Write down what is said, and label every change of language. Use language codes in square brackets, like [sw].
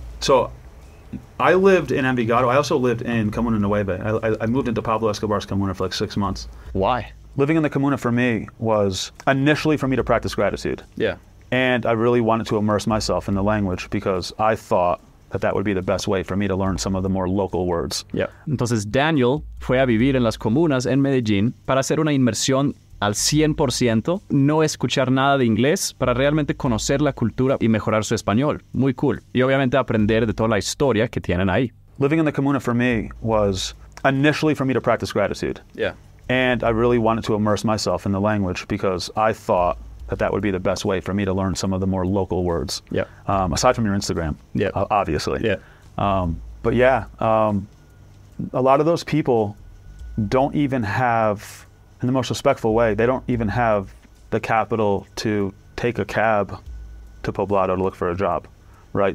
[en] so I lived in Envigado. I also lived in Comuna Nueva. I moved into Pablo Escobar's Comuna for like 6 months. Why? Living in the Comuna for me was initially for me to practice gratitude. Yeah. And I really wanted to immerse myself in the language because I thought that that would be the best way for me to learn some of the more local words. Yeah. [es] Entonces, Daniel fue a vivir en las comunas en Medellín para hacer una inmersión al 100%, no escuchar nada de inglés, para realmente conocer la cultura y mejorar su español. Muy cool. Y obviamente aprender de toda la historia que tienen ahí. [en] Living in the comuna for me was initially for me to practice gratitude. Yeah. And I really wanted to immerse myself in the language because I thought that that would be the best way for me to learn some of the more local words. Yeah. Aside from your Instagram. Yeah. Obviously. Yeah. But yeah, a lot of those people don't even have, in the most respectful way, they don't even have the capital to take a cab to Poblado to look for a job, right?